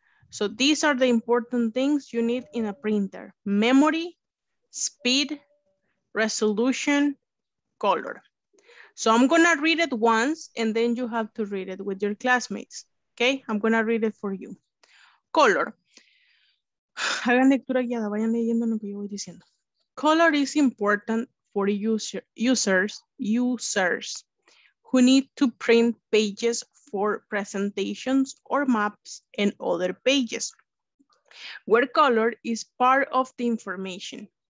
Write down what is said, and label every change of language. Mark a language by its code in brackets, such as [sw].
[en] So these are the important things you need in a printer. Memory, speed, resolution, color. So I'm gonna read it once and then you have to read it with your classmates. Okay, I'm gonna read it for you. Color. [es] Hagan lectura guiada, vayan leyendo lo que yo voy diciendo. [en] Color is important for users who need to print pages for presentations or maps and other pages, where color is part of the information.